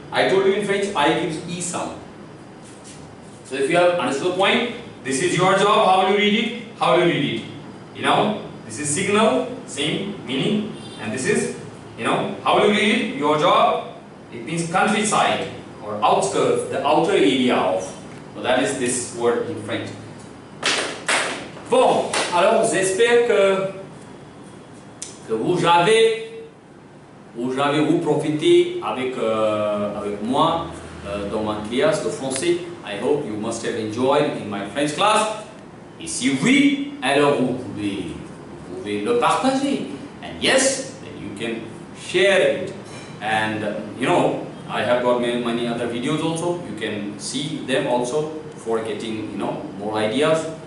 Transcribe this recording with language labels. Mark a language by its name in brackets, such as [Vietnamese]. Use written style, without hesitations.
[English] I told you in French, I gives E sound. So if you have understood the point, this is your job. How will you read it? How will you read it? You know, this is signal, same meaning, and this is, you know, how will you read it? Your job, it means countryside or outskirts, the outer area of. So that is this word in French. [French] Bon, alors j'espère que vous avez profité avec moi dans ma classe de français. [English] I hope you must have enjoyed in my French class. [French] Et si oui, alors vous pouvez le partager. [English] And yes, then you can share it. And you know, I have got many other videos also. You can see them also for getting, you know, more ideas.